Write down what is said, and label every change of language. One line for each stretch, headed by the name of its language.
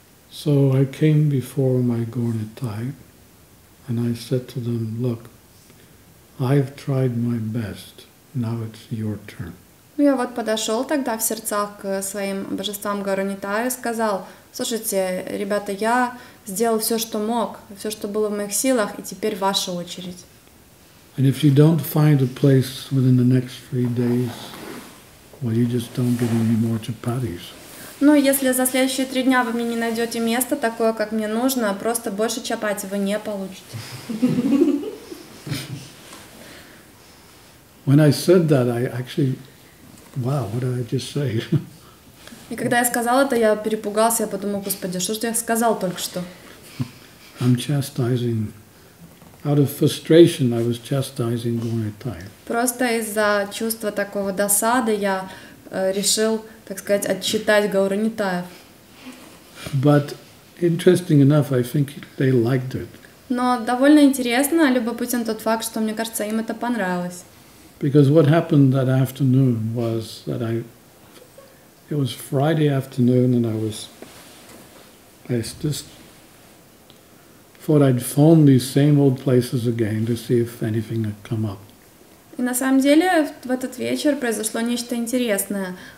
English: So I came before my Gornitai, and I said to them, look, I've tried my best, now it's your turn.
Russian: Ну, я вот подошел тогда в сердцах к своим божествам Горонитаю и сказал, слушайте, ребята, я сделал все, что мог, все, что было в моих силах, и теперь ваша очередь.
English: And if you don't find a place within the next 3 days, well, you just don't get any more chapatis.
Russian: Ну, если за следующие 3 дня вы мне не найдете место такое, как мне нужно, просто больше чапати вы не получите.
English: When I said that, I actually, wow, what did I just say?
Russian: И когда я сказал это, я перепугался, я подумал, Господи, что же я сказал только что?
English: I'm chastising, out of frustration, I was chastising Gornitai.
Russian: Просто из-за чувства такого досады я решил, так сказать, отчитать Гауранитаев.
English: But interesting enough, I think they liked it.
Russian: Но довольно интересно, любопытен тот факт, что мне кажется, им это понравилось.
English: Because what happened that afternoon was that it was Friday afternoon, and I just thought I'd phone these same old places again to see if anything had come up.
Russian: И на самом деле в этот вечер произошло нечто интересное.